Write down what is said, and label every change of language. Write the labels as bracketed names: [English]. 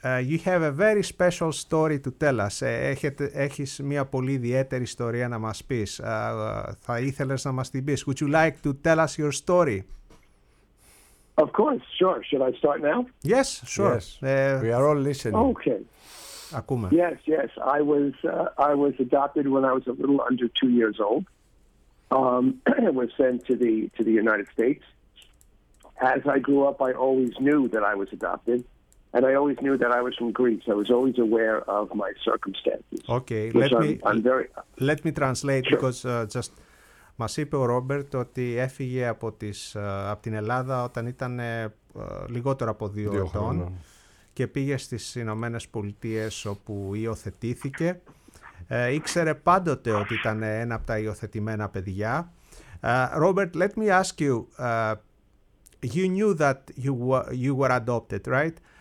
[English] You have a very special story to tell us. [Greek] Έχεις μια πολύ ιδιαίτερη ιστορία να μας πεις. Θα ήθελες να μας την πεις. [English] Would you like to tell us your story? Of course, sure. Should I start now? Yes, sure. Yes. We are all listening. Okay. [Greek] Ακούμε. [English] Yes, yes. I was adopted when I was a little under 2 years old. I was sent to the United States. As I grew up, I always knew that I was adopted. And I always knew that I was from Greece. I was always aware of my circumstances. Okay, let me translate, sure. Because just [Greek] μας είπε ο Ρόμπερτ ότι έφυγε από την Ελλάδα όταν ήταν λιγότερο από 2 ετών χρόνια. Και πήγε στις Ηνωμένες Πολιτείες όπου υιοθετήθηκε. Ήξερε πάντοτε ότι ήταν ένα από τα υιοθετημένα παιδιά. [English] Ρόμπερτ, let me ask you, you knew that you were adopted, right?